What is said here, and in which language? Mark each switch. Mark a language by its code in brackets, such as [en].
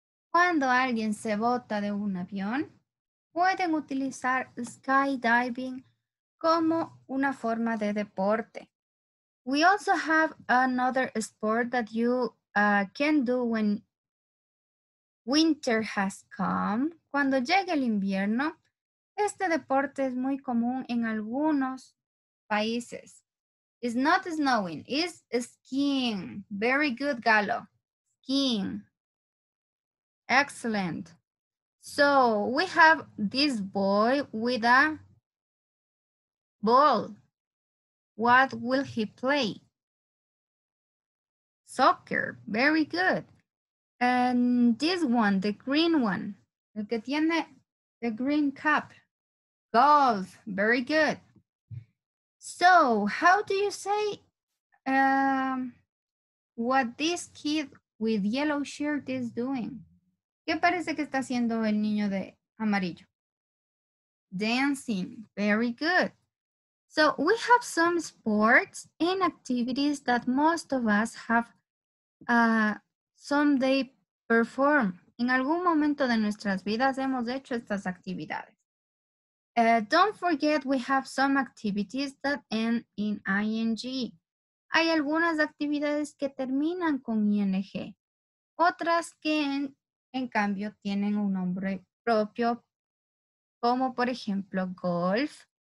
[es] Cuando alguien se bota de un avión, pueden utilizar skydiving como una forma de deporte. [en] We also have another sport that you can do when winter has come. [es] Cuando llegue el invierno, este deporte es muy común en algunos países. [en] It's not snowing, it's skiing. Very good, Galo. Skiing. Excellent. So we have this boy with a ball. What will he play? Soccer. Very good. And this one, the green one. [es] El que tiene [en] the green cap. Golf. Very good. So how do you say what this kid with yellow shirt is doing? [es] ¿Qué parece que está haciendo el niño de amarillo? [en] Dancing. Very good. So we have some sports and activities that most of us have someday performed. [es] En algún momento de nuestras vidas hemos hecho estas actividades. [en] Don't forget we have some activities that end in ing. [es] Hay algunas actividades que terminan con ing. Otras que en cambio tienen un nombre propio, como por ejemplo golf.